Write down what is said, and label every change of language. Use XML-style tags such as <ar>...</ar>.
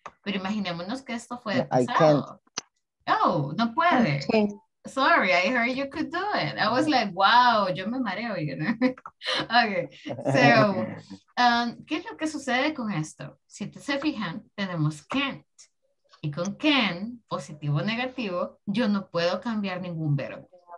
<es>Pero imaginémonos que esto fue pasado.</es> <en>I can't. Oh,</en> <es>no puede.</es> <en>I can't. Sorry, I heard you could do it. I was like, wow,</en> <es>yo me mareo,</es> <en>you know. Okay, so,</en> <es>¿qué es lo que sucede con esto? Si te se fijan, tenemos can't. Y con can, positivo o negativo, yo no puedo cambiar ningún verbo.</es>